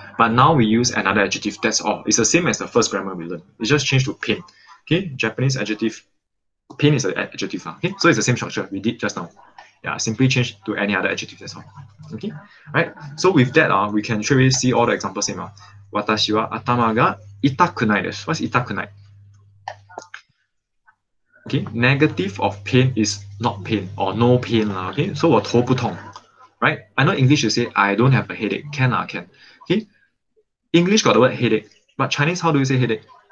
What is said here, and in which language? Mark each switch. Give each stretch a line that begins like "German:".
English: But now we use another adjective, that's all. It's the same as the first grammar we learned. It just changed to pain. Okay, Japanese adjective, pain is an adjective. Okay, so it's the same structure we did just now. Yeah, simply change to any other adjective, that's all. Okay, all right. So with that, we can surely see all the examples same.
Japanese: 私は頭が痛くないです.
English: What's 痛くない? Okay, negative of pain is not pain or no pain. Okay, so
Chinese: 我头不痛,
English: right? I know English you say I don't have a headache. Can. Okay, English got the word headache, but Chinese how do you say headache?